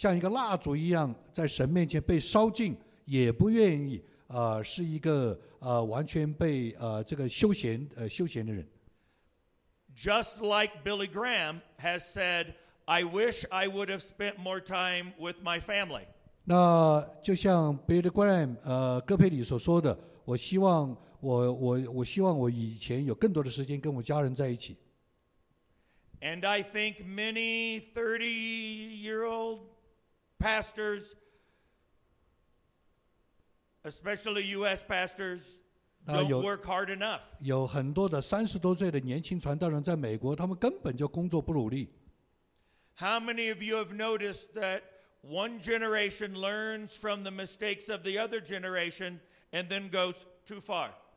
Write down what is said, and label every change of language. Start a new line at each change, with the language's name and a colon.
Chinese: 他就是说我宁可像一个蜡烛一样在神面前被烧尽, 也不愿意, 是一个完全被这个休闲的人。
English: Just like Billy Graham has said, I wish I would have spent more time with my family.
Chinese: 那就像Billy Graham,哥佩里所说的, 我希望我以前有更多的时间跟我家人在一起。
English: And I think many 30-year-old pastors, especially U.S. pastors, don't work hard enough.
Chinese: 有很多的30多岁的年轻传道人在美国，他们根本就工作不努力。
English: How many of you have noticed that one generation learns from the mistakes of the other generation and then goes too far?